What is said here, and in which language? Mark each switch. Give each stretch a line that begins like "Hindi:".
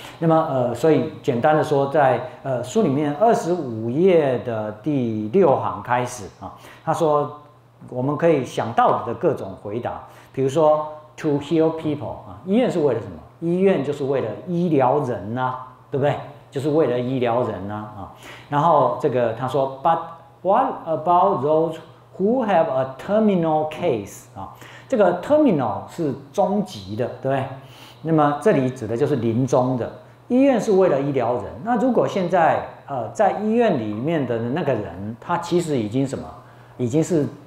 Chinese: 那么所以简单的说，在书里面25页的第6行开始啊，他说我们可以想到的各种回答，比如说
English: to heal people
Chinese: 啊，医院是为了什么？医院就是为了医疗人呐、啊，对不对？就是为了医疗人呐 啊。然后这个他说
English: but what about those who have a terminal case 啊？
Chinese: 这个 terminal 是终极的，对不对？那么这里指的就是临终的。医院是为了医疗人，那如果现在在医院里面的那个人，他其实已经什么？已经是